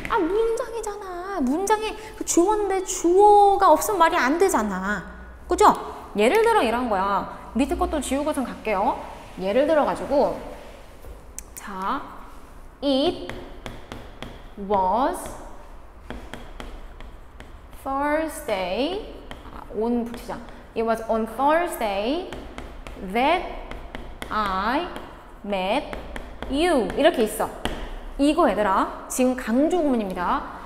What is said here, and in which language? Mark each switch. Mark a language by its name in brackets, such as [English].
[Korean] 아 문장이잖아. 문장이 주어인데 주어가 없으면 말이 안 되잖아. 그죠? 예를 들어 이런 거야. 밑에 것도 지우고 좀 갈게요. 예를 들어 가지고, 자, [English] it was Thursday. [Korean] 아, on 붙이자. [English] It was on Thursday that I met you. [Korean] 이렇게 있어. 이거 얘들아 지금 강조구문입니다.